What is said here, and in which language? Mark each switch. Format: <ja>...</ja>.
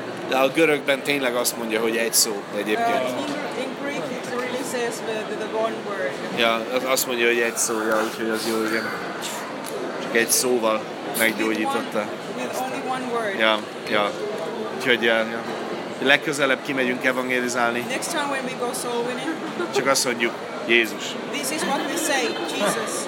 <hu>De a görögben tényleg azt mondja, hogy egy szó egyébként.</hu> <en>In Greek it really says the one word.</en> <hu>Ja, azt mondja, hogy egy szó, ja, úgyhogy az jó, igen. Csak egy szóval meggyógyította.</hu> <en>With only one word.</en> <hu>Ja, ja. Úgyhogy ja. Legközelebb kimegyünk evangelizálni.</hu> <en>Next time when we go soul winning.</en> <hu>Csak azt mondjuk, Jézus.</hu> <en>This is what we say, Jesus.</en>